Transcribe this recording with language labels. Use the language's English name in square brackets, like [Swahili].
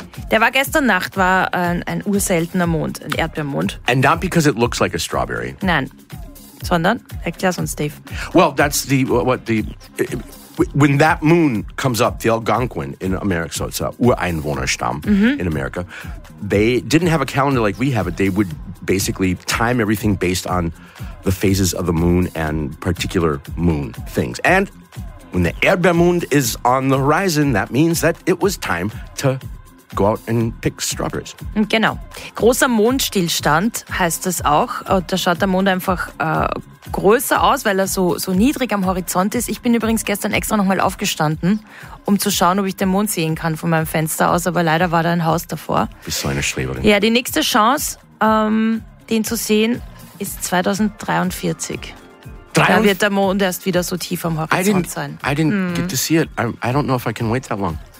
[German] Der war gestern Nacht, war ein urseltener Mond, ein Erdbeermond. [English] And not because it looks like a strawberry. [German] Nein. Sondern, erklär's uns, Dave. [English] Well, that's the, what the, when that moon comes up, the Algonquin in America, so it's a Ureinwohnerstamm in America, they didn't have a calendar like we have it. They would basically time everything based on the phases of the moon and particular moon things. And when the Erdbeermond is on the horizon, that means that it was time to go out and pick strawberries. [German] Genau. Großer Mondstillstand heißt das auch. Da schaut der Mond einfach größer aus, weil er so niedrig am Horizont ist. Ich bin übrigens gestern extra nochmal aufgestanden, um zu schauen, ob ich den Mond sehen kann von meinem Fenster aus. Aber leider war da ein Haus davor. Bist du eine Schreberin? Ja, die nächste Chance, den zu sehen, ist 2043. Da wird der Mond erst wieder so tief am Horizont sein. [English] I didn't get to see it. I don't know if I can wait that long.